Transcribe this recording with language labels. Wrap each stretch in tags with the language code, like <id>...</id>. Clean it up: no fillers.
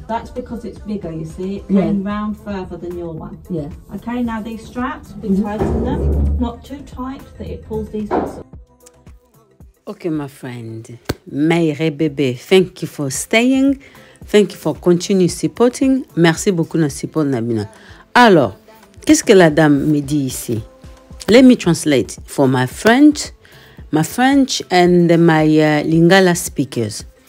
<en>that's because it's bigger. You see, it came round further than your one. Yeah. Okay. Now these straps, we tighten them, not too tight that it pulls these muscles. Okay, my friend, Mayre bébé, thank you for staying. Thank you for continue supporting.</en> <fr>Merci beaucoup</fr> <en>na support Nabina.</en> <fr>Alors, qu'est-ce que la dame me dit ici?</fr> <en>Let me translate for my French and my Lingala speakers.</en>